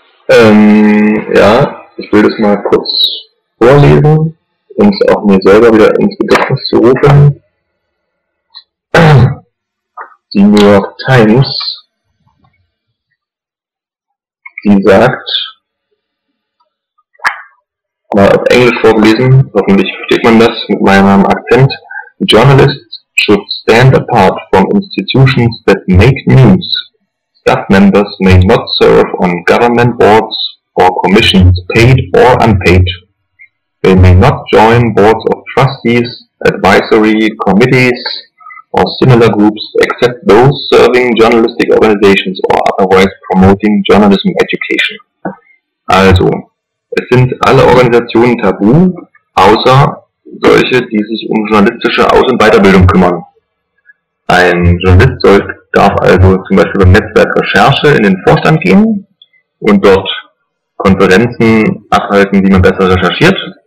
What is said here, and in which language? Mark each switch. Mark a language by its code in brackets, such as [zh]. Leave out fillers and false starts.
[de] Ja, ich will das mal kurz vorlesen, um es auch mir selber wieder ins Gedächtnis zu rufen. Die New York Times, die sagt, mal auf Englisch vorgelesen, hoffentlich versteht man das mit meinem Akzent. [en] Journalists should stand apart from institutions that make news. Staff members may not serve on government boards or commissions, paid or unpaid. They may not join boards of trustees, advisory committees, or similar groups, except those serving journalistic organizations or otherwise promoting journalism education. [de] Also, es sind alle Organisationen tabu, außer solche, die sich um journalistische Aus- und Weiterbildung kümmern. Ein Journalist darf also zum Beispiel beim Netzwerk Recherche in den Vorstand gehen und dort Konferenzen abhalten, wie man besser recherchiert.